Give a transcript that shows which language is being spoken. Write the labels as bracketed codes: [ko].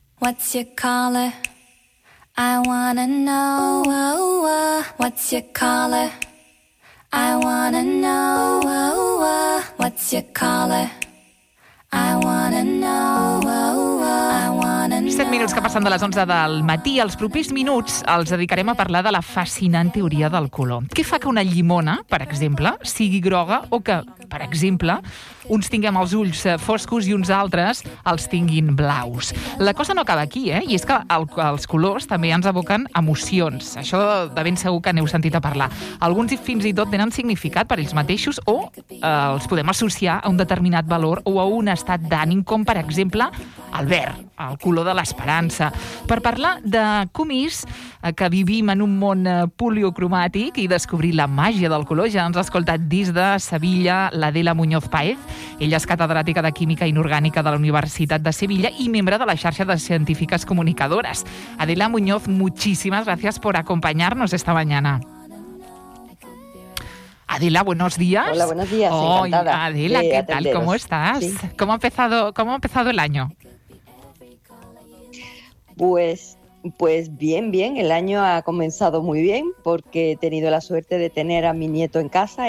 [en] What's your color? I wanna know. Oh, oh, oh. What's your color? I wanna know. Oh, oh, oh. What's your color? I wanna know. Oh, oh. [ca] 7 minuts que passen de les 11 del matí. Els propers minuts els dedicarem a parlar de la fascinant teoria del color. Què fa que una llimona, per exemple, sigui groga o que, per exemple, uns tinguem els ulls foscos i uns altres els tinguin blaus? La cosa no acaba aquí, eh? I és que els colors també ens aboquen emocions. Això de ben segur que n'heu sentit a parlar. Alguns fins i tot tenen significat per ells mateixos o els podem associar a un determinat valor o a un estat d'ànim, com per exemple el verd, el color de l'esperança. Per parlar de com és que vivim en un món poliocromàtic i descobrir la màgia del color, ja ens ha escoltat des de Sevilla l'Adela Muñoz Páez. Ella és catedràtica de Química Inorgànica de la Universitat de Sevilla i membre de la xarxa de científiques comunicadores. Adela Muñoz, moltíssimes gràcies per acompanyar-nos [es] esta mañana. Adela, buenos días. Hola, buenos días, encantada. Oh, Adela, ¿qué tal? ¿Cómo estás? Sí. ¿Cómo ha empezado el año? Pues bien, bien. El año ha comenzado muy bien porque he tenido la suerte de tener a mi nieto en casa.